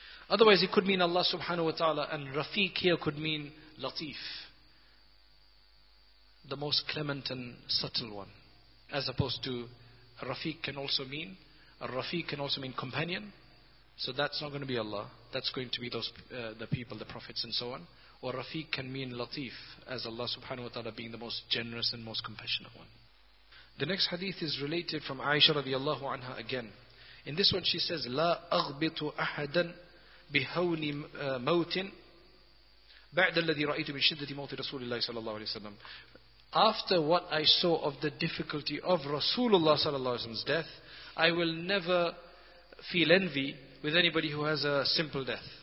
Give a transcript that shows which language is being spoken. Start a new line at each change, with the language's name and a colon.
English: Otherwise it could mean Allah subhanahu wa ta'ala, and Rafiq here could mean Latif, the most clement and subtle one, as opposed to Rafiq can also mean, a Rafiq can also mean companion. So that's not going to be Allah. That's going to be those the people, the prophets and so on. Or Rafiq can mean Latif, as Allah subhanahu wa ta'ala being the most generous and most compassionate one. The next hadith is related from Aisha radiallahu anha again. In this one she says,
Arabic: لا أغبط أحدا بهون موت بعد الذي رأيت من شدة موت رسول الله صلى الله عليه وسلم.
English: After what I saw of the difficulty of Rasulullah sallallahu alaihi wasallam's death, I will never feel envy with anybody who has a simple death.